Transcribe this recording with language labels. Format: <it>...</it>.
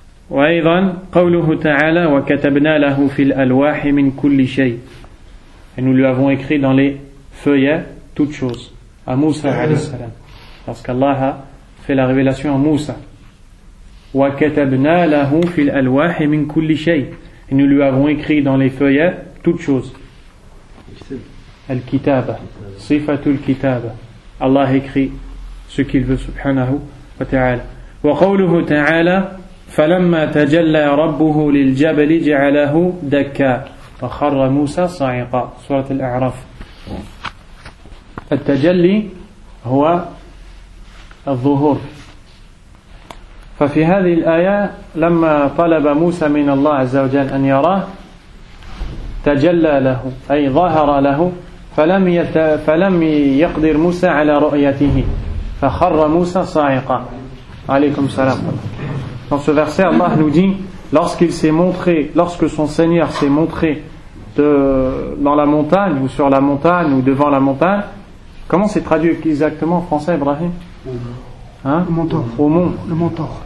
<ar>وأيضا قوله تعالى وكتبنا له في الألواح من كل شيء.</ar> <fr>Et nous lui avons écrit dans les feuillets toutes choses. À Moussa</fr> <ar>عليه السلام.</ar> <fr>Lorsqu'Allah a fait la révélation à Moussa.</fr> <ar>وكتبنا له في الألواح من كل شيء.</ar> <fr>Et nous lui avons écrit dans les feuillets toutes choses.</fr> <ar>الكتابة. صفة الكتابة.</ar> <fr>Allah écrit ce qu'il veut</fr> <ar>سبحانه وتعالى. وقوله تعالى فَلَمَّا تَجَلَّى رَبُّهُ لِلْجَبَلِ جَعَلَهُ دَكَّى وَخَرَّ مُوسَى صَعِقًا. سورة الأعراف. التجلي هو الظهور. ففي هذه الآية لما طلب موسى من الله عز وجل أن يراه تجلى له أي ظهر له فلم يقدر موسى على رؤيته فخر موسى صَعِقًا. عليكم السلام.</ar> <fr>Dans ce verset, Allah nous dit, lorsque son Seigneur s'est montré dans la montagne, ou sur la montagne, ou devant la montagne, comment c'est traduit exactement en français, Ibrahim? Hein? Le mentor. Au mont. Le mentor.</fr>